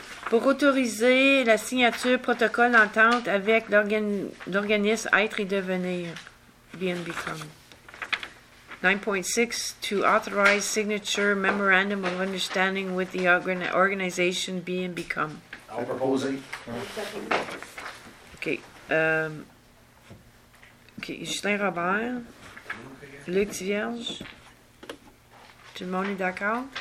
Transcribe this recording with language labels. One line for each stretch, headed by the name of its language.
French: Pour autoriser la signature protocole d'entente avec l'organisme Être et Devenir, Bien Become.
English: 9.6, to authorize signature memorandum of understanding with the organization Be and Become. I'm proposing. Okay.
French: Okay, Ghislain Robert, Luc Vierge, tout le monde est d'accord?